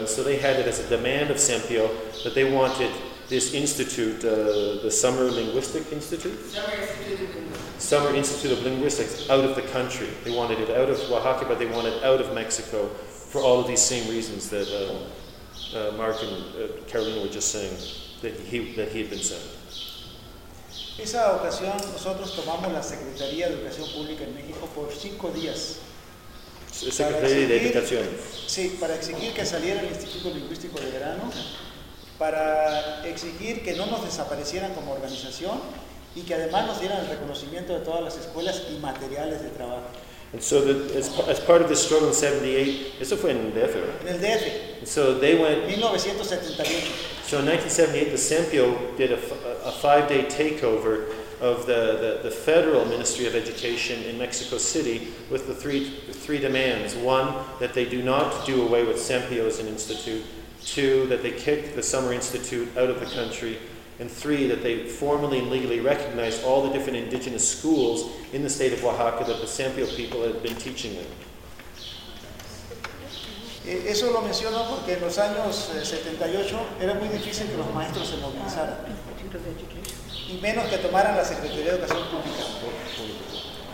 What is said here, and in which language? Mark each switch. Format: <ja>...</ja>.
<en>And so they had it as a demand of Sempio that they wanted this institute, the Summer Linguistic Institute? Summer Institute of Linguistics, out of the country. They wanted it out of Oaxaca, but they wanted it out of Mexico for all of these same reasons that Mark and Carolina were just saying that he had been saying.</en> <es>Esa ocasión nosotros tomamos la Secretaría de Educación Pública en México por 5 días. Secretaría de Educación. Sí, para exigir que saliera el Instituto Lingüístico de Verano, para exigir que no nos desaparecieran como organización y que además nos dieran el reconocimiento de todas las escuelas y materiales de trabajo.</es> <en>And so the, as part of the struggle in 78,</en> <es>eso fue en el DF,</es> <en>right?</en> <es>En el DF.</es> <en>And so they went... 1978. So in 1978, the Sempio did a five-day takeover of the Federal Ministry of Education in Mexico City with the three demands. One, that they do not do away with Sempio as an institute. Two, that they kick the Summer Institute out of the country. And three, that they formally and legally recognize all the different indigenous schools in the state of Oaxaca that the Sempio people had been teaching in.</en> <es>Eso lo menciono porque en los años 78 era muy difícil que los maestros se movilizaran. Y menos que tomaran la Secretaría de Educación Pública.</es>